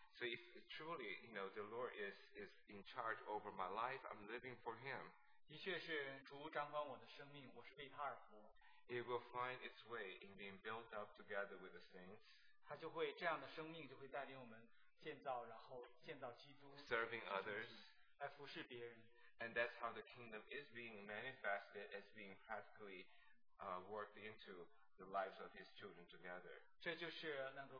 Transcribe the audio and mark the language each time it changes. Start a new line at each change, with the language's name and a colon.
English: So if truly, you know, the Lord is in charge over my life, I'm living for Him.
Chinese: 的确是主掌管我的生命，我是为他而活。
English: It will find its way in being built up together with the saints.
Chinese: 他就会这样的生命就会带领我们建造，然后建造基督。
English: Serving others.
Chinese: 来服侍别人。
English: And that's how the kingdom is being manifested, as being practically worked into the lives of His children together.